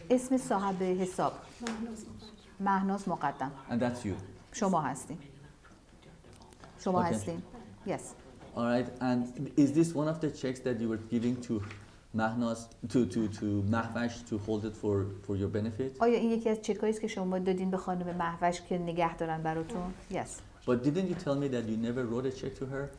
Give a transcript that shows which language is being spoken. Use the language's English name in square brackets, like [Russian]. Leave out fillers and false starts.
[English] This is [Persian] صاحب حساب. مهناز مقدم. [English] And that's you. [Persian] شما هستین. شما هستین. [English] Yes. All right, and is this one of the checks that you were giving to Mahnaz to Mahvash to hold it for your benefit? [Persian] آیا این یکی از چکایی است که شما دادین به خانم مهوش که نگه دارن براتون؟ [English] Yes. But didn't you tell me that you never wrote a check to her?